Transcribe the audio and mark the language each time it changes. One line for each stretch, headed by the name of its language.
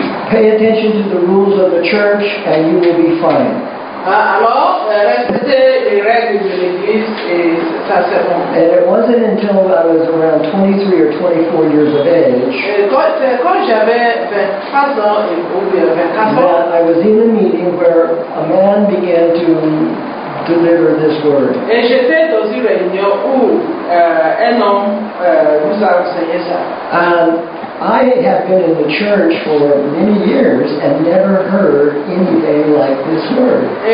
English: Pay attention to the rules of the church and you will be fine.
French: Respectez les règles de l'église et ça c'est bon.
English: And it wasn't until I was around 23 or 24 years of age.
French: Quand j'avais 23 ans et ou bien 24 ans.
English: I was in a meeting where a man began to deliver this word.
French: Et j'étais dans une réunion où un homme nous a enseigné ça.
English: And I have been in the church for many years and never heard anything like this word.